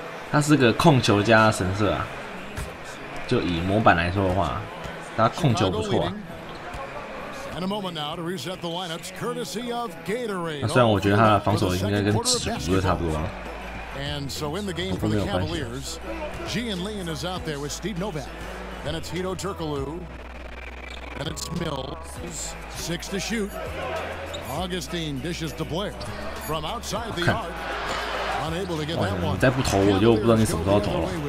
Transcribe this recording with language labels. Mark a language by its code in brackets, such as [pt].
[zh] 他是个控球加神射啊，就以模板来说的话，他控球不错啊。那虽然我觉得他的防守应该跟纸糊的差不多、啊。 [en] And so in the game for the Cavaliers, Gian Lien is out there with Steve Novak. Then it's Hito Turkoglu. Then it's Mills. Six to shoot. Augustine dishes to Blair from outside the arc. Unable to get that one. [zh] 再不投，我就不知道你什么时候投了。